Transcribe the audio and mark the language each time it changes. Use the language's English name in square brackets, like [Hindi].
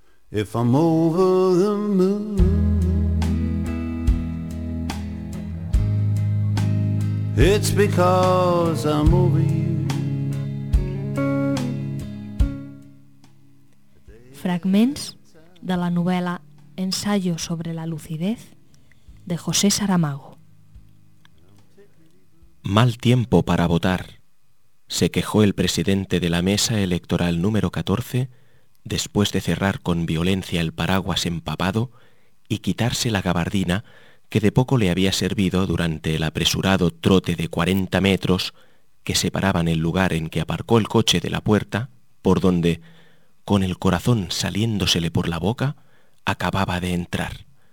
[English] If I'm over the moon, it's because I'm over you. [Catalan] Fragments de la novel·la Ensayo sobre la lucidez de José Saramago. [Spanish] Mal tiempo para votar, se quejó el presidente de la mesa electoral número 14 después de cerrar con violencia el paraguas empapado y quitarse la gabardina que de poco le había servido durante el apresurado trote de 40 metros que separaban el lugar en que aparcó el coche de la puerta, por donde, con el corazón saliéndosele por la boca, acababa de entrar.